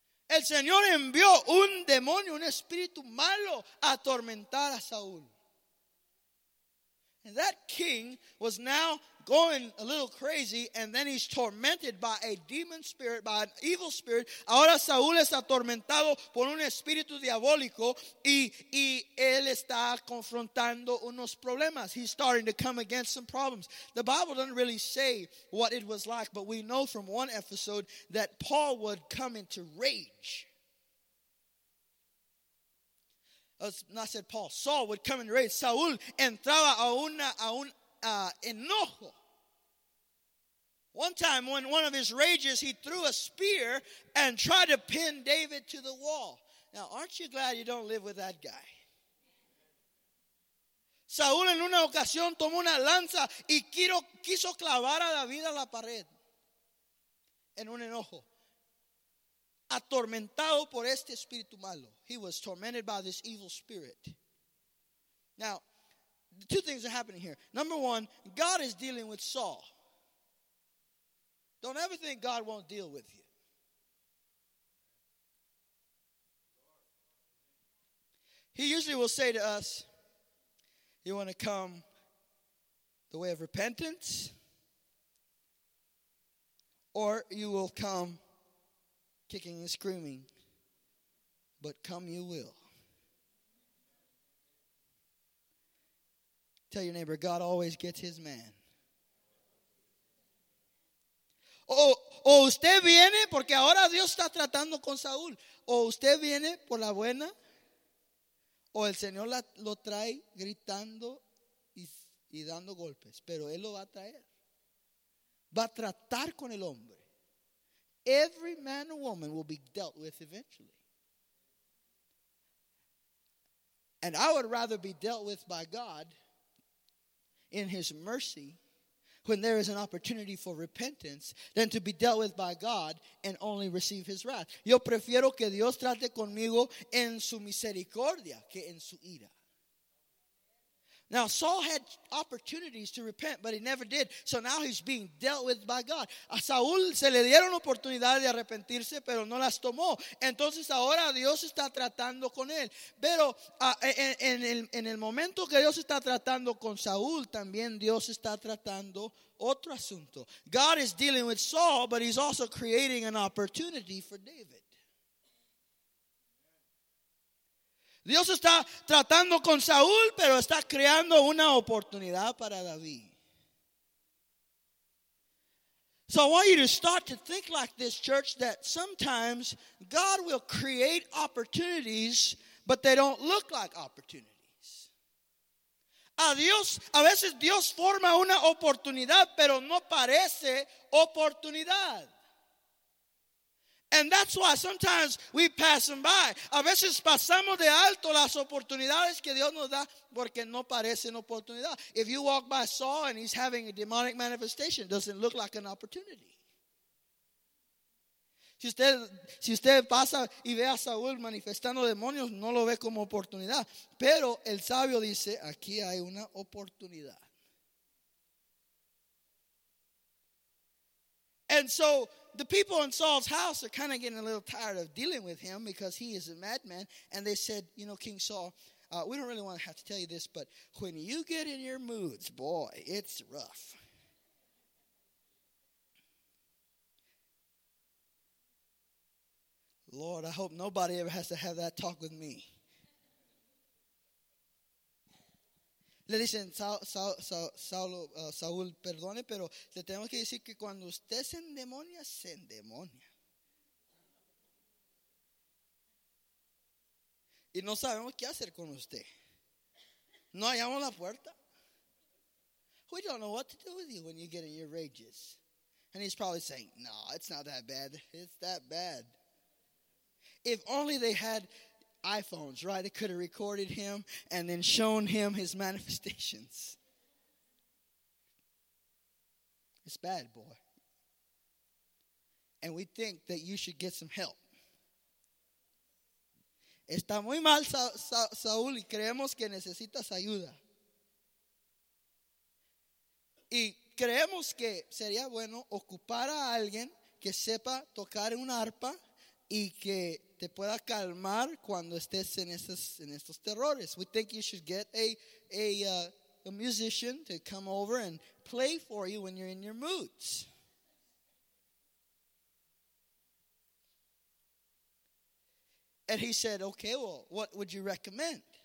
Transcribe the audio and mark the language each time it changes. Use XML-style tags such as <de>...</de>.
<es>El Señor envió un demonio, un espíritu malo, a atormentar a Saúl.</es> <en>And that king was now going a little crazy, and then he's tormented by a demon spirit, by an evil spirit.</en> <es>Ahora Saúl es atormentado por un espíritu diabólico, y él está confrontando unos problemas.</es> <en>He's starting to come against some problems. The Bible doesn't really say what it was like, but we know from one episode that Paul would come into rage. Saul would come into rage.</en> <es>Saúl entraba a un enojo.</es> <en>One time, when one of his rages, he threw a spear and tried to pin David to the wall. Now, aren't you glad you don't live with that guy?</en> <es>Saúl en una ocasión tomó una lanza y quiso clavar a David a la pared en un enojo. Atormentado por este espíritu malo.</es> <en>He was tormented by this evil spirit. Now, two things are happening here. Number one, God is dealing with Saul. Don't ever think God won't deal with you. He usually will say to us, you want to come the way of repentance, or you will come kicking and screaming, but come you will. Tell your neighbor, God always gets his man.</en> <es>O usted viene porque ahora Dios está tratando con Saúl. O usted viene por la buena. O el Señor lo trae gritando y dando golpes. Pero él lo va a traer. Va a tratar con el hombre.</es> <en>Every man or woman will be dealt with eventually. And I would rather be dealt with by God in his mercy when there is an opportunity for repentance, than to be dealt with by God and only receive his wrath.</en> <es>Yo prefiero que Dios trate conmigo en su misericordia que en su ira.</es> <en>Now, Saul had opportunities to repent, but he never did. So now he's being dealt with by God.</en> <es>A Saúl se le dieron oportunidades de arrepentirse, pero no las tomó. Entonces ahora Dios está tratando con él. Pero en el momento que Dios está tratando con Saúl, también Dios está tratando otro asunto.</es> <en>God is dealing with Saul, but he's also creating an opportunity for David.</en> <es>Dios está tratando con Saúl, pero está creando una oportunidad para David.</es> <en>So I want you to start to think like this, church, that sometimes God will create opportunities, but they don't look like opportunities.</en> <es>A veces Dios forma una oportunidad, pero no parece oportunidad.</es> <en>And that's why sometimes we pass them by.</en> <es>A veces pasamos de alto las oportunidades que Dios nos da porque no parecen oportunidad.</es> <en>If you walk by Saul and he's having a demonic manifestation, doesn't look like an opportunity.</en> <es>Si usted pasa y ve a Saúl manifestando demonios, no lo ve como oportunidad. Pero el sabio dice, aquí hay una oportunidad.</es> <en>And so the people in Saul's house are kind of getting a little tired of dealing with him because he is a madman. And they said, you know, King Saul, we don't really want to have to tell you this, but when you get in your moods, boy, it's rough. Lord, I hope nobody ever has to have that talk with me.</en> <es>Le dicen, Saúl, perdone, pero le tengo que decir que cuando usted se endemonia, se endemonia. Y no sabemos qué hacer con usted. No hallamos la puerta.</es> <en>We don't know what to do with you when you get in your rages. And he's probably saying, no, it's not that bad. It's that bad. If only they had iPhones, right? They could have recorded him and then shown him his manifestations. It's bad, boy. And we think that you should get some help.</en> <es>Está muy mal, Saúl, y creemos que necesitas ayuda. Y creemos que sería bueno ocupar a alguien que sepa tocar una arpa y que te pueda calmar cuando estés en estos terrores.</es> <en>We think you should get a musician to come over and play for you when you're in your moods. And he said, okay, well, what would you recommend?</en>